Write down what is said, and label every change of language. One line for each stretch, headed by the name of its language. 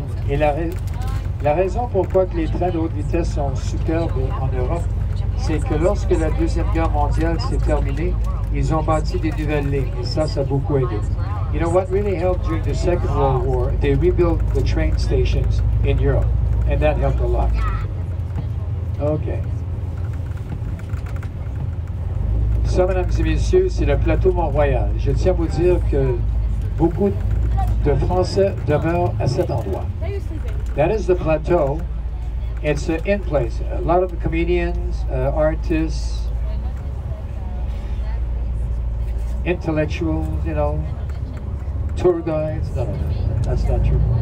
French: Et la raison pourquoi que les trains de haute vitesse sont superbes en Europe, c'est que lorsque la Deuxième Guerre mondiale s'est terminée, ils ont bâti des nouvelles lignes. Et ça a beaucoup aidé.
English: You know, what really helped during the Second World War, they rebuilt the train stations in Europe, and that helped a lot. Okay.
French: Ça, mesdames et messieurs, c'est le plateau Mont-Royal. Je tiens à vous dire que beaucoup de Français demeurent à cet endroit.
English: That is the plateau. It's in place. A lot of comedians, artists, intellectuals, you know, tour guides, no, that's not true.